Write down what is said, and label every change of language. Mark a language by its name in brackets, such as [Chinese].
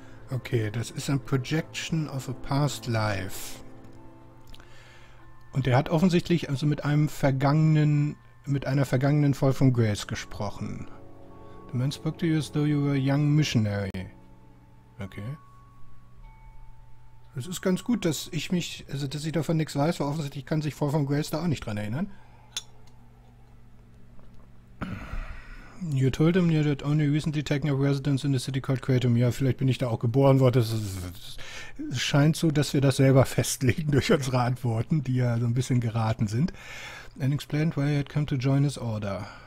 [English] Okay, [German] das ist ein [English] Projection of a past life. [German] Und er hat offensichtlich also mit einem vergangenen, mit einer vergangenen Folge von Grace gesprochen. [English] The man spoke to you as though you were a young missionary. Okay. [German] Es ist ganz gut, dass ich mich, also dass ich davon nichts weiß, weil offensichtlich kann sich Folge von Grace da auch nicht dran erinnern. [English] You told him you had only recently taken up residence in the city called Kratom. [German] Ja, vielleicht bin ich da auch geboren worden. Es scheint so, dass wir das selber festlegen durch unsere Antworten, die ja so ein bisschen geraten sind. [English] And explained why he had come to join his order.